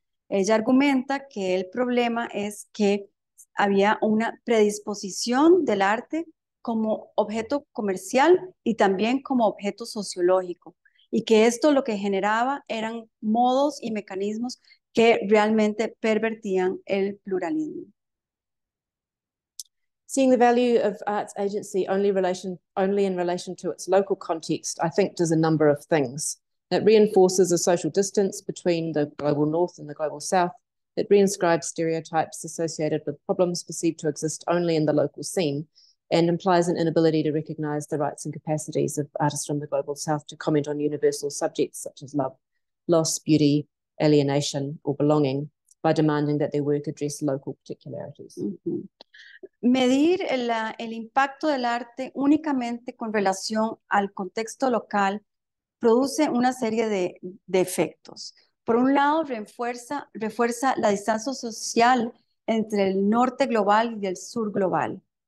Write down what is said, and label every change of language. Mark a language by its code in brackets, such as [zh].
[es] Ella argumenta que el problema es que había una predisposición del arte como objeto comercial y también como objeto sociológico, y que esto lo que generaba eran modos y mecanismos que realmente pervertían el pluralismo. [en] Seeing the value of arts agency only in relation to its local context, I think does a number of things. It reinforces a social distance between the global north and the global south. It reinscribes stereotypes associated with problems perceived to exist only in the local scene, and implies an inability to recognize the rights and capacities of artists from the global south to comment on universal subjects such as love, loss, beauty, alienation, or belonging by demanding that their work address local particularities. Mm-hmm. [es] Medir el impacto del arte únicamente con relación al contexto local produce una serie de efectos. Por un lado, refuerza la distancia social entre el norte global y el sur global.